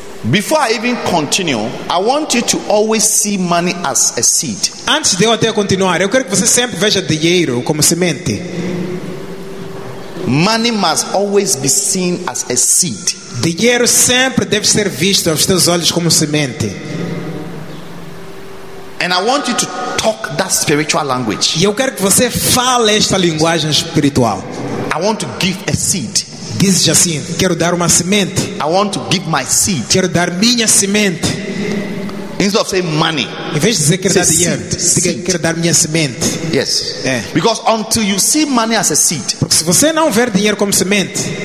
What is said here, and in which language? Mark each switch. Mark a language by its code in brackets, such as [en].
[en] before I even continue, I want you to always see money as a seed. [pt] Antes de eu até continuar, eu quero que você sempre veja dinheiro como semente. [en] Money must always be seen as a seed. [pt] Dinheiro sempre deve ser visto aos teus olhos como semente. [en] And I want you to talk that spiritual language. [pt] E eu quero que você fale esta linguagem espiritual. [en] I want to give a seed. [pt] Diz assim, quero dar uma semente. [en] I want to give my seed. [pt] Quero dar minha semente. [en] Instead of saying money. [pt] Em vez de dizer quero dar dinheiro, diga quero dar minha semente. [en] Yes. [pt] É. [en] Because until you see money as a seed. [pt] Porque se você não ver dinheiro como semente,